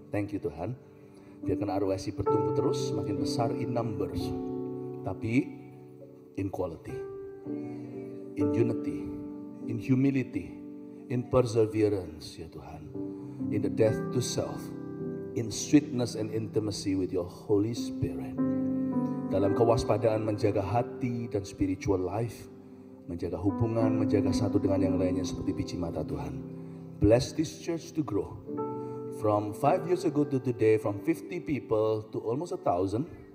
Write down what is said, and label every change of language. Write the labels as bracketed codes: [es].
[en] Thank you [id] Tuhan. Biarkan ROSC bertumbuh terus, makin besar [en] in numbers. [id] Tapi [en] in quality, in unity, in humility, in perseverance [id] ya Tuhan. [en] In the death to self, in sweetness and intimacy with your Holy Spirit. [id] Dalam kewaspadaan menjaga hati dan [en] spiritual life, [id] menjaga hubungan, menjaga satu dengan yang lainnya seperti biji mata Tuhan. [en] Bless this church to grow. From 5 years ago to today, from 50 people to almost 1,000,